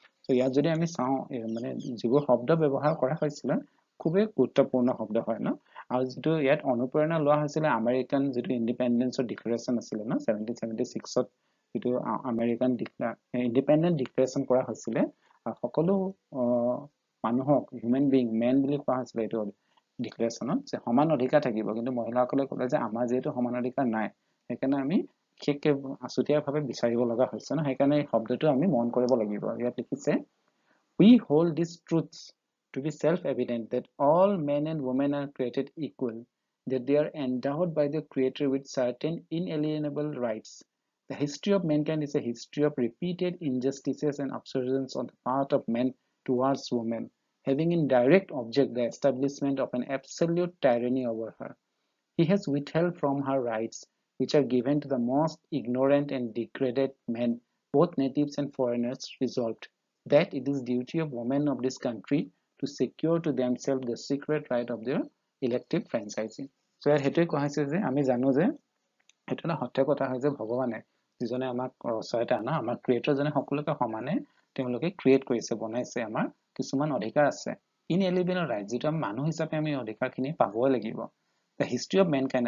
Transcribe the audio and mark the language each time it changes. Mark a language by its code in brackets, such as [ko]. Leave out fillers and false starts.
[as] চ' ইয়াত যদি আমি চাওঁ, মানে যিবোৰ শব্দ ব্যৱহাৰ কৰা হৈছিলে খুবেই গুৰুত্বপূৰ্ণ শব্দ হয় ন, আৰু যিটো ইয়াত অনুপ্ৰেৰণা লোৱা হৈছিলে আমেৰিকান যিটো ইণ্ডিপেণ্ডেন্সৰ ডিক্লেৰেশ্যন আছিলে ন, 1776ত যিটো আমেৰিকান ইণ্ডিপেণ্ডেণ্ট ডিক্লেৰেশ্যন কৰা হৈছিলে, সকলো মানুহক হিউমেন বিং, মেন বুলি কোৱা হৈছিলে এইটো ডিক্লেৰেশ্যনত, যে সমান অধিকাৰ থাকিব, কিন্তু মহিলাসকলে ক'লে যে আমাৰ যিহেতু সমান অধিকাৰ নাই, সেইকাৰণে আমি বিশেষকৈ আছুতীয়াভাৱে বিচাৰিব লগা হৈছে ন, সেইকাৰণে এই শব্দটো আমি মন কৰিব লাগিব। [en] ইয়াত লিখিছে, we hold these truths to be self-evident that all men and women are created equal, that they are endowed by their creator with certain inalienable rights. The history of mankind is a history of repeated injustices and absurdities on the part of men towards women, having in direct object the establishment of an absolute tyranny over her. He has withheld from her rights, which are given to the most ignorant and degraded men, both natives and foreigners, resolved that it is duty of women of this country to secure to themselves the secret right of their elective franchising. [as] So ইয়াত সেইটোৱে কোৱা হৈছে যে আমি জানো যে সেইটো এটা সত্য কথা হয় যে ভগৱানে যিজনে আমাক ৰচয়িতা ন, আমাৰ ক্ৰিয়েটৰজনে সকলোকে সমানে তেওঁলোকে ক্ৰিয়েট কৰিছে, বনাইছে, আমাৰ কিছুমান অধিকাৰ আছে, ইনএলিবেল ৰাইট, যিটো আমি মানুহ হিচাপে আমি অধিকাৰখিনি পাবই লাগিব, [en] The history of mankind.